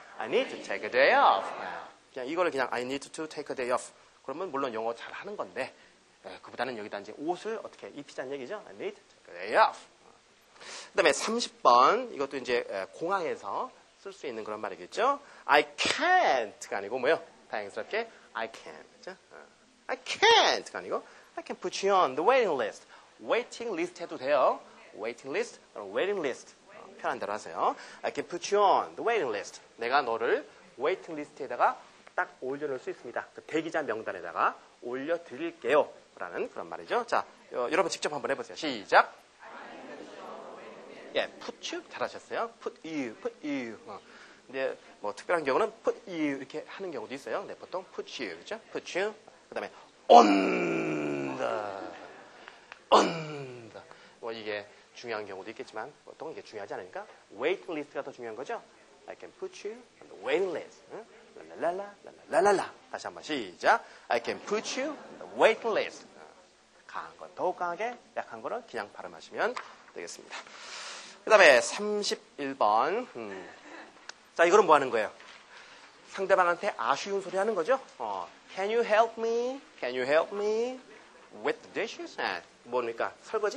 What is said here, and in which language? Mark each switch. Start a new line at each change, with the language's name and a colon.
English: I need to take a day off.
Korean: 그냥 이걸 그냥
English: I need to take a day off.
Korean: 그러면 물론 영어 잘 하는 건데, 그보다는 여기다 이제 옷을 어떻게 입히자는 얘기죠?
English: I need to take a day off.
Korean: 그 다음에 30번, 이것도 이제 공항에서 쓸 수 있는 그런 말이겠죠. I can't가 아니고 뭐요? 다행스럽게
English: I can.
Korean: 그렇죠?
English: I can't가
Korean: 아니고
English: I can put you on the waiting list. Waiting list
Korean: 해도 돼요.
English: Waiting list, waiting list.
Korean: 편한 대로 하세요.
English: I can put you on the waiting list.
Korean: 내가 너를 waiting list에다가 딱 올려놓을 수 있습니다. 그 대기자 명단에다가 올려드릴게요. 라는 그런 말이죠. 자, 여러분 직접 한번 해보세요. 시작. 예,
English: yeah, put you
Korean: 잘하셨어요.
English: Put you, put you.
Korean: 근데 뭐 특별한 경우는 put you 이렇게 하는 경우도 있어요. 근데 보통 put you, 그렇죠? Put you. 그다음에
English: on the, on the.
Korean: 뭐 이게 중요한 경우도 있겠지만 보통 이게 중요하지 않으니까 waiting list가 더 중요한 거죠.
English: I can put you on the waiting list.
Korean: 라라라라라라라라. 다시 한번 시작.
English: I can put you on the waiting list.
Korean: 강한 건 더욱 강하게, 약한 거는 그냥 발음하시면 되겠습니다. 그 다음에 31번. 자, 이거는 뭐 하는 거예요? 상대방한테 아쉬운 소리 하는 거죠?
English: Can you help me? Can you help me with the dishes?
Korean: 네, 뭡니까? 설거지?